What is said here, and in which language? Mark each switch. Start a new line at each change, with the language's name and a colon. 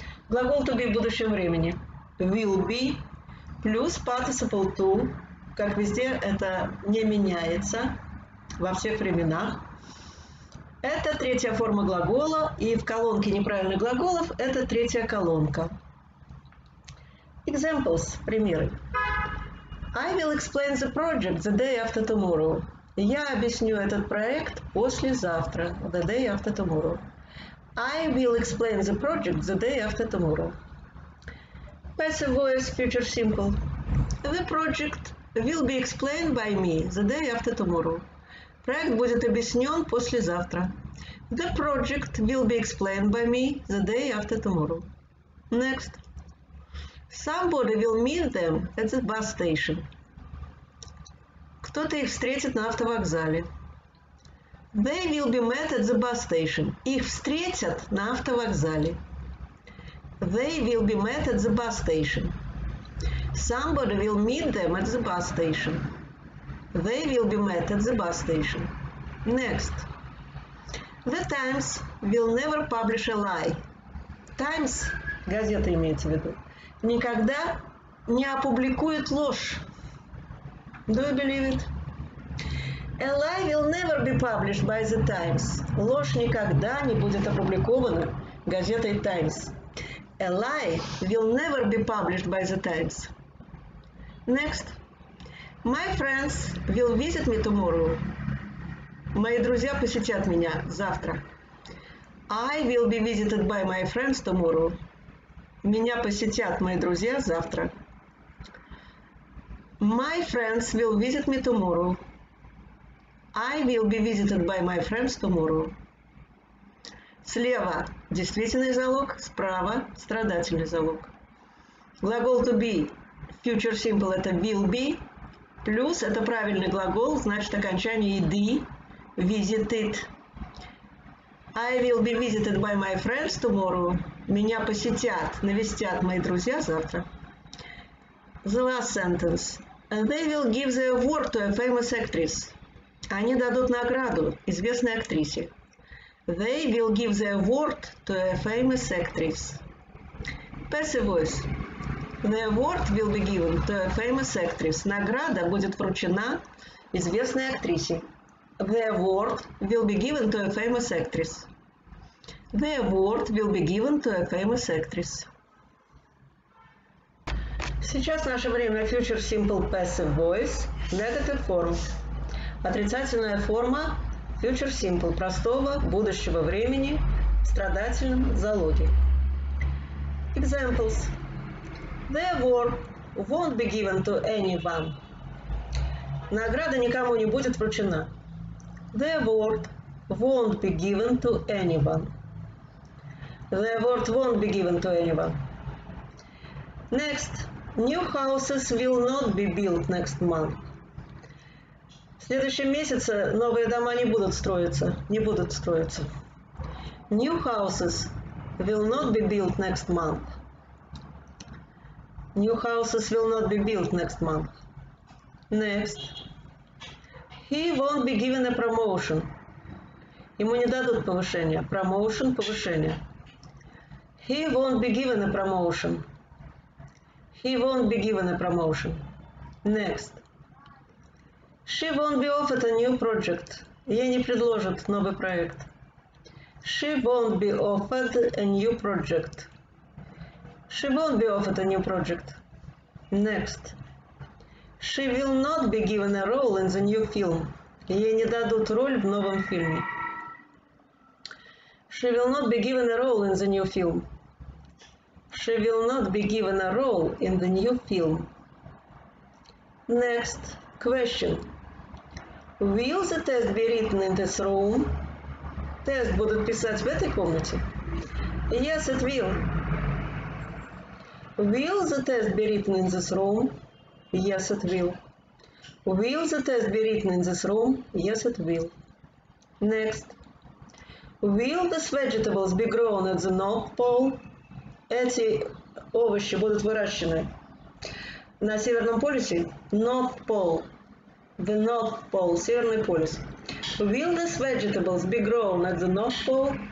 Russian: Глагол to be в будущем времени. Will be плюс participle to, как везде это не меняется во всех временах. Это третья форма глагола, и в колонке неправильных глаголов это третья колонка.
English: Examples,
Russian: примеры.
English: I will explain the project the day after tomorrow.
Russian: Я объясню этот проект послезавтра,
English: the day after tomorrow. I will explain the project the day after tomorrow. Passive voice, future simple. The project will be explained by me the day after tomorrow.
Russian: Проект будет объяснен послезавтра.
English: The project will be explained by me the day after tomorrow. Next. Somebody will meet them at the bus station.
Russian: Кто-то их встретит на автовокзале.
English: They will be met at the bus station.
Russian: Их встретят на автовокзале.
English: They will be met at the bus station. Somebody will meet them at the bus station. They will be met at the bus station. Next. The Times will never publish a lie.
Russian: Times, газета имеется в виду, никогда не опубликует ложь.
English: Do you believe it? A lie will never be published by the Times.
Russian: Ложь никогда не будет опубликована газетой Times.
English: A lie will never be published by the Times. Next. My friends will visit me tomorrow.
Russian: Мои друзья посетят меня завтра.
English: I will be visited by my friends tomorrow.
Russian: Меня посетят мои друзья завтра.
English: My friends will visit me tomorrow. I will be visited by my friends tomorrow.
Russian: Слева действительный залог, справа страдательный залог. Глагол to be, future simple, это will be. Плюс это правильный глагол, значит окончание ed.
English: Visited. I will be visited by my friends tomorrow.
Russian: Меня посетят, навестят мои друзья завтра.
English: The last sentence. They will give the award to a famous actress.
Russian: Они дадут награду известной актрисе.
English: They will give the award to a famous actress. Passive voice. The award will be given to a famous actress.
Russian: Награда будет вручена известной актрисе.
English: The award will be given to a famous actress. The award will be given to a famous actress.
Russian: Сейчас наше время Future Simple Passive Voice.
English: Negative form.
Russian: Отрицательная форма Future Simple простого будущего времени в страдательном залоге.
English: Examples. The award won't be given to anyone.
Russian: Награда никому не будет вручена.
English: The award won't be given to anyone. The award won't be given to anyone. Next. New houses will not be built next month.
Russian: В следующем месяце новые дома не будут строиться. Не будут строиться.
English: New houses will not be built next month. New houses will not be built next month. Next. He won't be given a promotion.
Russian: Ему не дадут повышение.
English: Promotion, повышение. He won't be given a promotion. He won't be given a promotion. Next. She won't be offered a new project.
Russian: Ей не предложат новый проект.
English: She won't be offered a new project. She won't be offered a new project. Next. She will not be given a role in the new film.
Russian: Ей не дадут роль в новом фильме.
English: She will not be given a role in the new film. She will not be given a role in the new film. Next question. Will the test be written in this room?
Russian: Тест будут писать в этой комнате?
English: Yes, it will. Will the test be written in this room? Yes, it will. Will the test be written in this room? Yes, it will. Next. Will these vegetables be grown at the North Pole?
Russian: Эти овощи будут выращены на Северном полюсе?
English: North Pole. The North Pole. Северный полюс. Will these vegetables be grown at the North Pole?